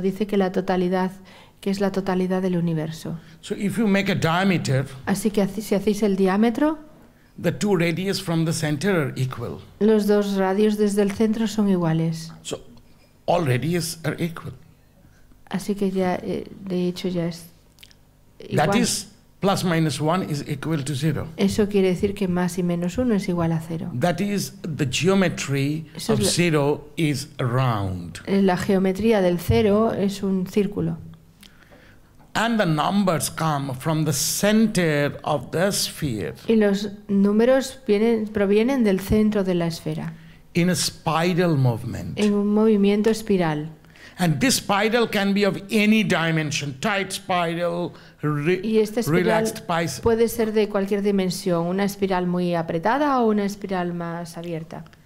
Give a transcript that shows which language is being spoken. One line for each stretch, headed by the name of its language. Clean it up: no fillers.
Spanish: Dice que la totalidad, que es la totalidad del universo.
English: So if you make a diameter,
Spanish: así que si hacéis el diámetro,
English: the two radius from the center are equal.
Spanish: Los dos radios desde el centro son iguales.
English: So all radius are equal.
Spanish: Así que ya, de hecho ya es igual.
English: That is plus minus one is equal to zero.
Spanish: Eso quiere decir que más y menos uno es igual a cero.
English: That is the geometry of zero is round.
Spanish: La geometría del cero es un círculo.
English: And the numbers come from the center of the sphere.
Spanish: Y los números provienen del centro de la esfera.
English: In a spiral movement.
Spanish: En un movimiento espiral.
English: And this spiral can be of any dimension, tight spiral, relaxed pi.
Spanish: Puede ser de cualquier dimensión, una espiral muy apretada o una espiral más abierta.